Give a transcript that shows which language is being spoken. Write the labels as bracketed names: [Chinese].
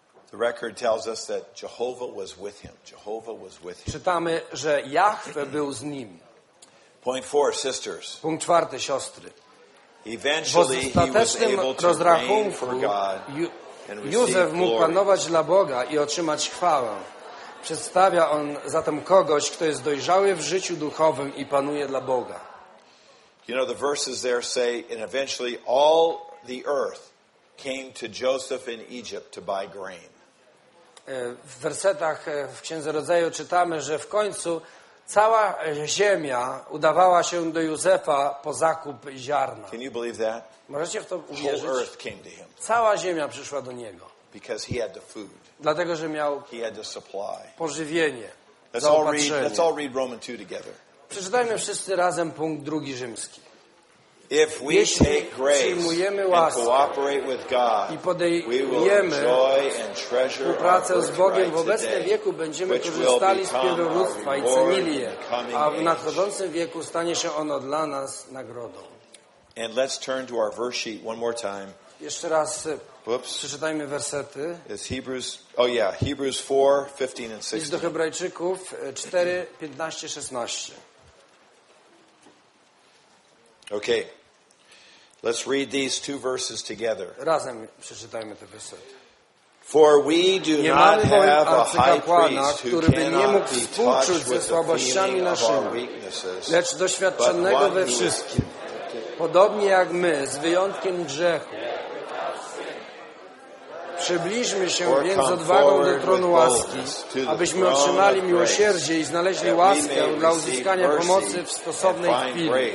[English] The record tells us that Jehovah was with him. Jehovah was with him. [Polish] Czytamy, że Jahwe był z nim. [English] Point four, sisters. [Polish] Punkt czwarty, siostry. [English] Eventually he was able to reign for God. [Polish] Józef mógł panować dla Boga i otrzymać chwałę. Przedstawia on zatem kogoś, kto jest dojrzały w życiu duchowym i panuje dla Boga. [English] You know, the verses there say, and eventually all the earth came to Joseph in Egypt to buy grain. [Polish] W wersetach w Księdze Rodzaju czytamy, że w końcu cała ziemia udawała się do Józefa po zakup ziarna. [English] Can you believe that? [Polish] Możecie w to uwierzyć? [English] Whole earth came to him. [Polish] Cała ziemia przyszła do niego. [English] Because he had the food. [Polish] Dlatego, że miał [English] he had the supply. [Polish] Pożywienie. [English] Let's all read Romans 2 together. [Polish] Przeczytajmy wszyscy razem punkt drugi rzymski. [English] If we take grace and cooperate with God, we will enjoy and treasure our birthright today, which will become our reward in the coming age. [Polish] A w nadchodzącym wieku stanie się ono dla nas nagrodą. [English] And let's turn to our verse sheet one more time. [Polish] Jeszcze raz przeczytajmy wersety. [English] It's Hebrews, oh yeah, Hebrews 4, 15 and 16. [Polish] List do Hebrajczyków 4, 15, 16. [English] Okay, let's read these two verses together. [Polish] Razem przeczytajmy te wersety. [English] For we do not have a high priest who cannot be touched with the feeling of our weaknesses, [Polish] lecz doświadczonego we wszystkim, podobnie jak my, z wyjątkiem grzechu. Przybliżmy się więc odwagą do tronu łaski, abyśmy otrzymali miłosierdzie i znaleźli łaskę dla uzyskania pomocy w stosownej chwili.